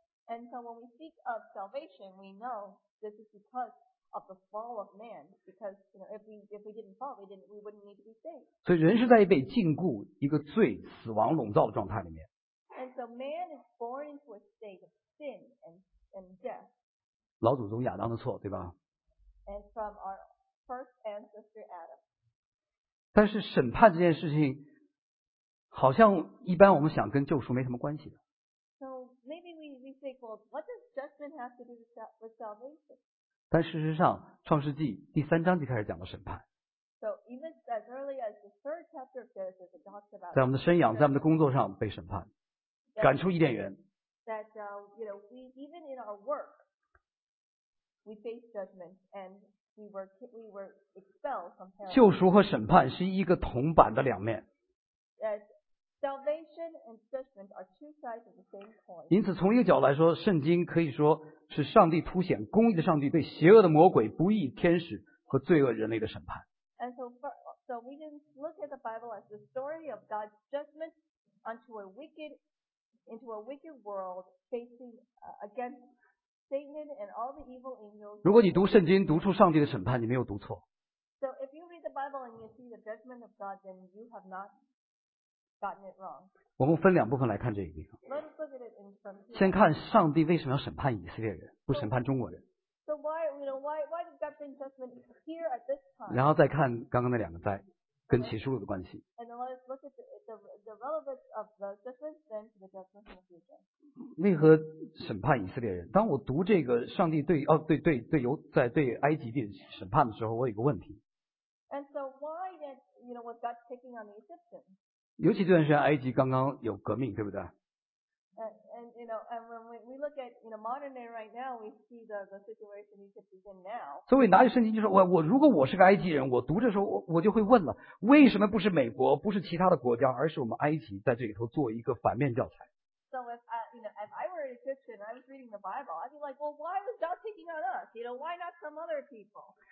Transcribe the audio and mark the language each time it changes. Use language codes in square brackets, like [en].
[en] And so when we speak of salvation, we know this is because of the fall of man, because you know, if we didn't fall, we wouldn't need to be saved. [zh] 所以人是在被禁锢一个罪死亡笼罩的状态里面。 [en] And so man is born into a state of sin and death. [zh] 老祖宗亚当的错，对吧？ [en] And from our first ancestor Adam. [zh] 但是审判这件事情，好像一般我们想跟救赎没什么关系的。 [en] So maybe we think, well, what does judgment have to do with salvation? [zh] 但事实上，创世纪第三章就开始讲了审判。 [en] So even as early as the third chapter of Genesis, it talks about [zh] 在我们的生养，在我们的工作上被审判，赶出伊甸园。 [en] That you know, we even in our work, we face judgment and we were expelled from paradise. [zh] 救赎和审判是一个铜板的两面。 [en] That salvation and judgment are two sides of the same coin. [zh] 因此，从一个角度来说，圣经可以说。是上帝凸显公义的上帝对邪恶的魔鬼、不义天使和罪恶人类的审判。 [en] And so we can look at the Bible as the story of God's judgment into a wicked world facing against Satan and all the evil angels. [zh] 如果你读圣经，读出上帝的审判，你没有读错。 [en] So if you read the Bible and you see the judgment of God, then you have not gotten it wrong. [zh] 我们分两部分来看这一点。先看上帝为什么要审判以色列人，不审判中国人。 [en] So why, you know, why did God bring judgment here at this time? [zh] 然后再看刚刚那两个灾，跟启示录的关系。 [en] And then let's look at the relevance of the judgment then to the judgment in the future. [zh] 为何审判以色列人？当我读这个上帝对埃及地审判的时候，我有个问题。 [en] And so why did, you know, was God taking on the Egyptians? [zh] 尤其这段时间埃及刚刚有革命，对不对？ [en] And you know, and when we look at you know modern day right now, we see the situation Egypt is in now. [zh] 所以拿起圣经就说，我如果我是个埃及人，我读着时候我就会问了，为什么不是美国，不是其他的国家，而是我们埃及在这里头做一个反面教材 [en] ？So if you know, if I were an Egyptian, I was reading the Bible, I'd be like, well, why was God taking on us? You know, why not some other people?